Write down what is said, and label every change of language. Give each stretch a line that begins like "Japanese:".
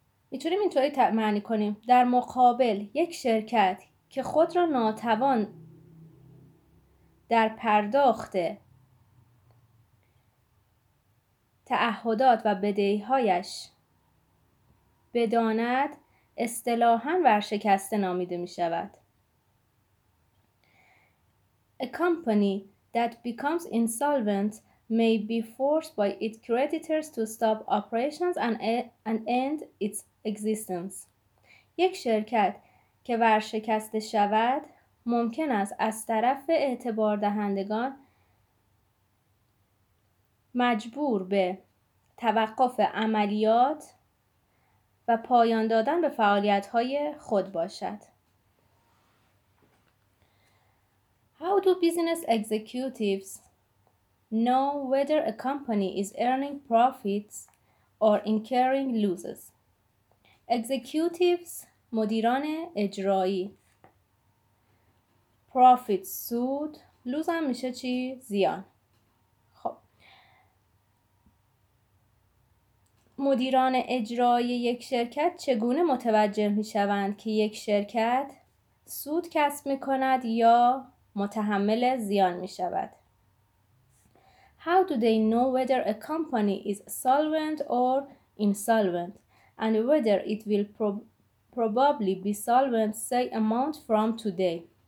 Persian: میتونیم اینطوری معنی کنیم: در مقابل یک شرکت که خود را ناتوان در پرداخت تعهدات و بدهی‌هایش بداند اصطلاحاً ورشکسته نامیده می شود.
English: A company that becomes insolvent may be forced by its creditors to stop operations and end its existence.
Persian: یک شرکت که ورشکسته شود ممکن است از طرف اعتبار دهندگان مجبور به توقف عملیات و پایان دادن به فعالیت‌های خود باشد.
English: How do business executives know whether a company is earning profits or incurring losses?
Persian: Executives مدیران اجرایی. Profit سود، لوز هم میشه چی؟ زیان. مدیران اجرایی یک شرکت چگونه متوجه میشوند که یک شرکت سود کسب میکند یا متحمل زیان میشود؟
English: How do they know whether a company is solvent or insolvent and whether it will probably be solvent say a month from today?